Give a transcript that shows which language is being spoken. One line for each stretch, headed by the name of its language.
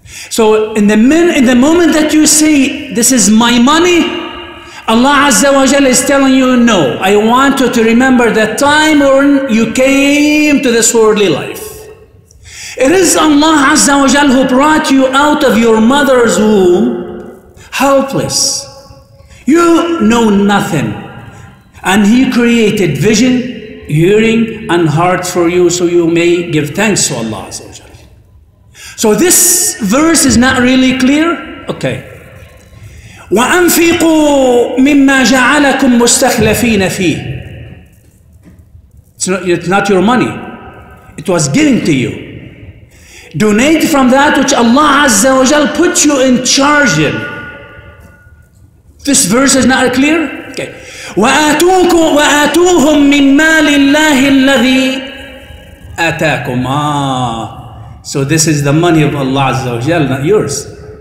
English: So in the moment that you say this is my money Allah Azza wa Jalla is telling you no I want you to remember the time when you came to this worldly life It is Allah Azza wa Jal who brought you out of your mother's womb helpless. You know nothing. And He created vision, hearing, and heart for you so you may give thanks to Allah Azza wa Jal. So this verse is not really clear? Okay.
Arabic: وَأَنْفِقُوا مِمَّا جَعَلَكُمْ مُسْتَخْلَفِينَ فِيهِ
English: It's not your money. It was given to you. Donate from that which Allah Azza wa Jal put you in charge in. This verse is not clear? Okay.
Arabic: وَآتُوهُمْ مِنْ مَالِ اللَّهِ الَّذِي آتَاكُمْ
English: So this is the money of Allah Azza wa Jal, not yours.